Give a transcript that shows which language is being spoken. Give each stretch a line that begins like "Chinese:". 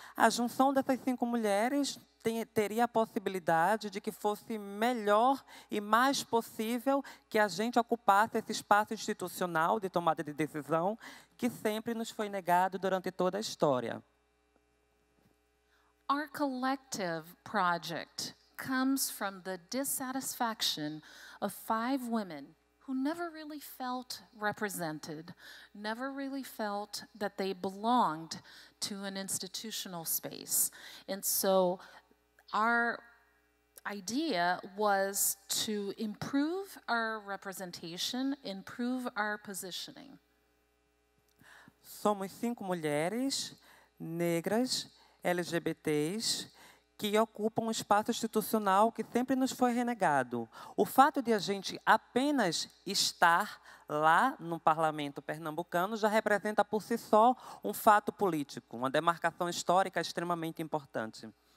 Portuguese: A junção dessas 5 mulheres teria a possibilidade de que fosse melhor e mais possível que a gente ocupasse esse espaço institucional de tomada de decisão que sempre nos foi negado durante toda a história.
English: Our collective project comes from the dissatisfaction of 5 women who never really felt represented, never really felt that they belonged to an institutional space. And so our idea was to improve our representation, improve our positioning.
Portuguese: Somos 5 mulheres negras LGBTs, que ocupam um espaço institucional que sempre nos foi renegado. O fato de a gente apenas estar lá no parlamento pernambucano já representa por si só um fato político, uma demarcação histórica extremamente importante.